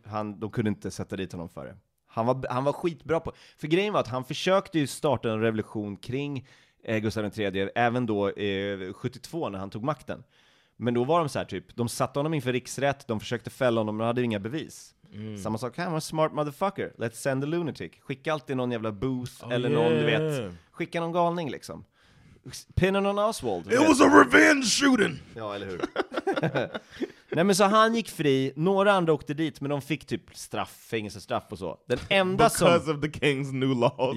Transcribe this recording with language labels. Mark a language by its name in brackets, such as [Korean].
[Swedish] Han, de kunde inte sätta dit honom för det. Han var skitbra på. För grejen var att han försökte ju starta en revolution kring Gustav III, även då 72 när han tog makten. Men då var de så här typ, de satte honom inför riksrätt, de försökte fälla honom, men de hade inga bevis. Mm. Samma sak, [English] I'm a smart motherfucker, let's send a lunatic. [Swedish] Skicka alltid någon jävla booth eller någon, du vet. Skicka någon galning liksom. [English] Pinning on Oswald. It was a revenge shooting. [Swedish] Ja, eller hur? Nej, men så han gick fri. Några andra åkte dit, men de fick typ straff, fängelsestraff och så. Den enda [English] Because of the king's new laws.